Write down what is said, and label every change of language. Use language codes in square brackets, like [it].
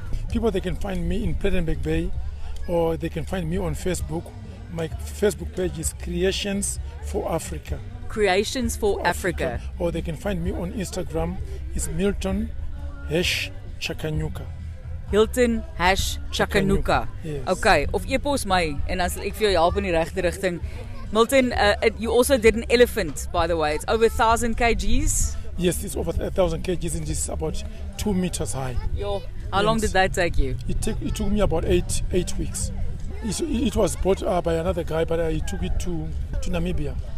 [en] People, they can find me in Plettenberg Bay, or they can find me on Facebook. My Facebook page is Creations for Africa. Creations for Africa. Or they can find me on Instagram. It's Milton Hash Chakanuka. Hilton Hash Chakanuka. Yes. Okay. [af] Of e-post my, en dan sal ek vir jou help in die regte richting. [en] Milton, you also did an elephant, by the way. It's over 1,000 kgs. Yes, it's over 1,000 kgs and it's about 2 meters high. How long did that take you? It took me about eight weeks. It was bought by another guy, but he took it to Namibia.